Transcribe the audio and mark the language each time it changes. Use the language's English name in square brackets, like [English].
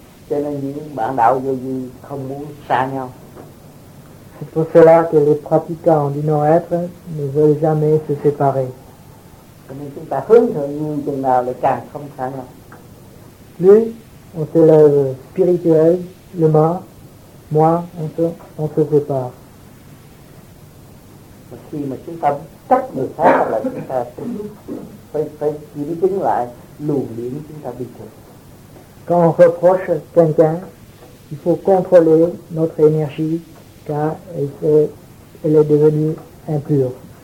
[Vietnamese] Cho nên những bạn đạo vô vi không muốn xa nhau. [French] C'est pour cela que les pratiquants du non-être ne veulent jamais se séparer. [Vietnamese] Cho nên chúng ta hướng thượng như chừng nào lại càng không xa nhau. [French] Plus on s'élève spirituellement, moins on se sépare. [Vietnamese] Mà khi mà chúng ta trách người khác là chúng ta phải kiểm chứng lại luồng điển chúng ta bị thuộc. [French] Quand on reproche quelqu'un, il faut contrôler notre énergie car elle est devenue impure.